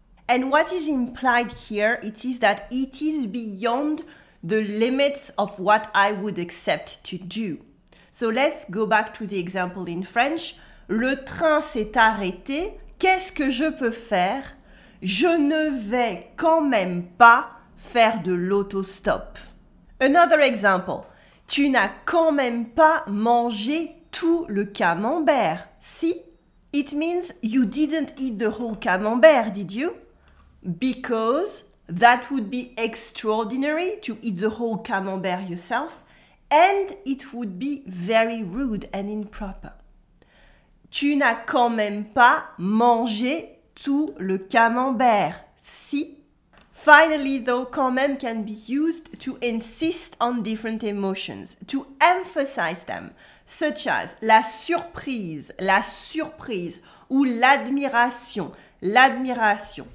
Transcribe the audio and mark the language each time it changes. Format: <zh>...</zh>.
<en>And what is implied here, it is that it is beyond the limits of what I would accept to do. So let's go back to the example in French.</en> <fr>Le train s'est arrêté. Qu'est-ce que je peux faire? Je ne vais quand même pas faire de l'autostop.</fr> <en>Another example.</en> <fr>Tu n'as quand même pas mangé tout le camembert, si?</fr> <en>It means you didn't eat the whole camembert, did you? Because that would be extraordinary to eat the whole camembert yourself, and it would be very rude and improper.</en> <fr>Tu n'as quand même pas mangé tout le camembert, si?</fr> <en>Finally, though, quand même can be used to insist on different emotions, to emphasize them, such as</en> <fr>la surprise, ou l'admiration, l'admiration.</fr>